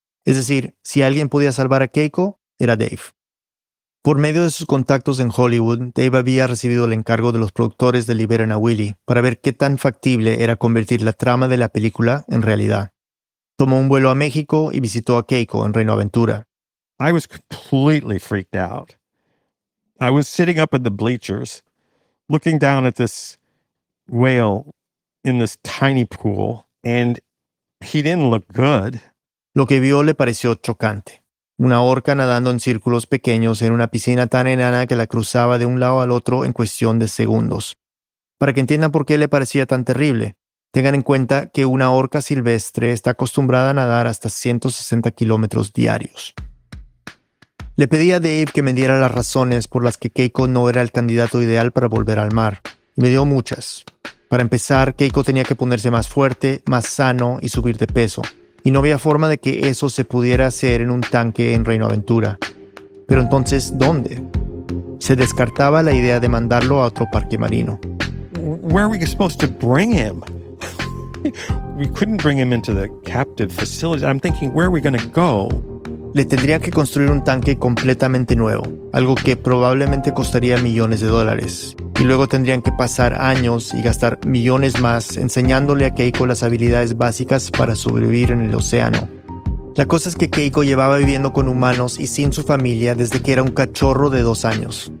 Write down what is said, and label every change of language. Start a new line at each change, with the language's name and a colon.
Spanish: Es decir, si alguien podía salvar a Keiko, era Dave. Por medio de sus contactos en Hollywood, Dave había recibido el encargo de los productores de Liberen a Willy para ver qué tan factible era convertir la trama de la película en realidad. Tomó un vuelo a México y visitó a Keiko en Reino Aventura.
English: I was completely freaked out. I was sitting up in the bleachers, looking down at this whale in this tiny pool, and he didn't look good.
Spanish: Lo que vio le pareció chocante. Una orca nadando en círculos pequeños en una piscina tan enana que la cruzaba de un lado al otro en cuestión de segundos. Para que entiendan por qué le parecía tan terrible, tengan en cuenta que una orca silvestre está acostumbrada a nadar hasta 160 kilómetros diarios. Le pedí a Dave que me diera las razones por las que Keiko no era el candidato ideal para volver al mar. Me dio muchas. Para empezar, Keiko tenía que ponerse más fuerte, más sano y subir de peso. Y no había forma de que eso se pudiera hacer en un tanque en Reino Aventura. Pero entonces, ¿dónde? Se descartaba la idea de mandarlo a otro parque marino.
English: Where are we supposed to bring him? We couldn't bring him into the captive facility. I'm thinking, where are we going to go?
Spanish: Le tendría que construir un tanque completamente nuevo, algo que probablemente costaría millones de dólares. Y luego tendrían que pasar años y gastar millones más enseñándole a Keiko las habilidades básicas para sobrevivir en el océano. La cosa es que Keiko llevaba viviendo con humanos y sin su familia desde que era un cachorro de 2 años.